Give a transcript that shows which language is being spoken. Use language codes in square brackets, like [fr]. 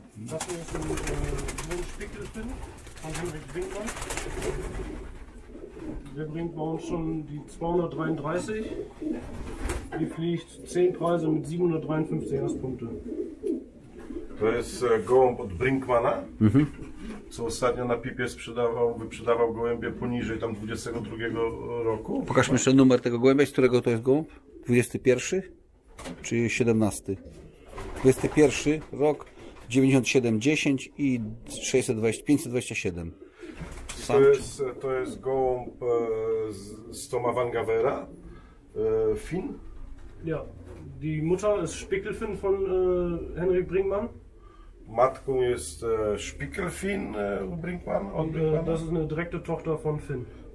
[de] Das ist ein Mundspickel drin von Henrik Winkmann. Der bringt bei uns schon die 233. Die fliegt 10 Preise mit 753 Erstpunkte. [pl] To jest gołąb od Brinkmana, co ostatnio na Pipie sprzedawał, wyprzedawał gołębie poniżej tam 22 roku. Pokażmy chyba jeszcze numer tego gołębia, z którego to jest gołąb? 21 czy 17? 21 rok, 97-10 i 527. To jest gołąb z Toma Vangavera, Finn? [de] Ja, die Mutter ist Spickelfin von Henrik Brinkmann. [pl] Matką jest Spickelfin Brinkmann. [de] Das ist eine direkte Tochter von Finn.